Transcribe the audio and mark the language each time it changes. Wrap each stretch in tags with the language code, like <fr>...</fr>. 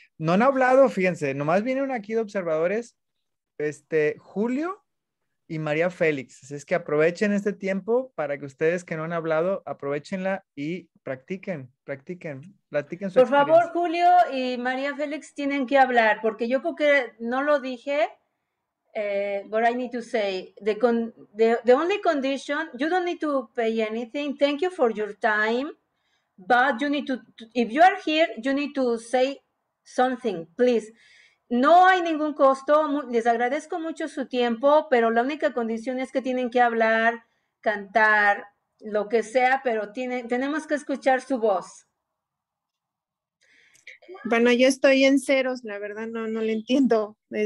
<es>No han hablado, fíjense, nomás vienen aquí de observadores, Julio y María Félix. Así es que aprovechen este tiempo para que ustedes que no han hablado, aprovechenla y practiquen. Platiquen su por favor, Julio y María Félix tienen que hablar, porque yo creo que no lo dije.</es> <en>But I need to say the only condition, you don't need to pay anything. Thank you for your time, but you need to if you are here, you need to say something, please.</en> <es>No hay ningún costo. Les agradezco mucho su tiempo, pero la única condición es que tienen que hablar, cantar, lo que sea, pero tenemos que escuchar su voz. Bueno, yo estoy en ceros, la verdad no le entiendo.</es>